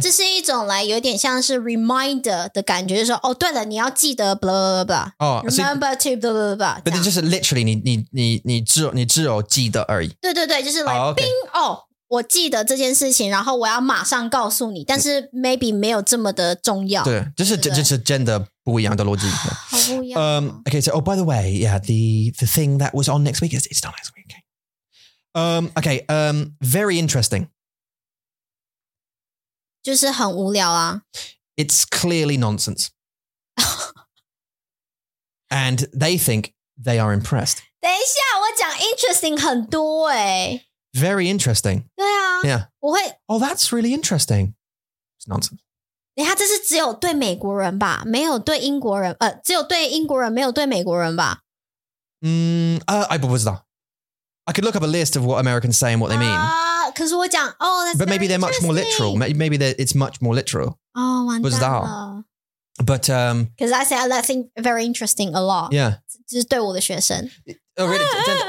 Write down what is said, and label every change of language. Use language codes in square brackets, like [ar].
[zh] 这是一种来有点像是 reminder 的感觉，就是说哦，对了，你要记得 blah blah blah. [en] Oh, remember so, to blah blah blah. But it's just literally [zh] 你只有记得而已。对对对，就是 [en] like bing, oh, okay. [zh] 哦，我记得这件事情，然后我要马上告诉你，但是 maybe 没有这么的重要。对，就是对对就是真的不一样的逻辑。好不一样。 [en] Okay, so oh, by the way, yeah, the thing that was on next week is it's not next week. Okay. Okay. Very interesting. [zh] 就是很无聊啊。 [en] It's clearly nonsense. And they think they are impressed. [zh] 等一下，我讲 interesting 很多欸。 [en] Very interesting. [zh] 对啊。 [en] Yeah. [zh] 我会。 [en] Oh, that's really interesting. It's nonsense. [zh] 等一下，这是只有对美国人吧？没有对英国人，只有对英国人，没有对美国人吧？ [en] I [zh] 不知道。 [en] I could look up a list of what Americans say and what they mean. [zh] 可是我讲哦、oh, [en] But maybe they're much more literal. Maybe it's much more literal. [zh] 哦、oh, 完蛋了。 [en] But, Because I say I think very interesting a lot. Yeah. [zh] 就是对我的学生。 [en] Oh, really?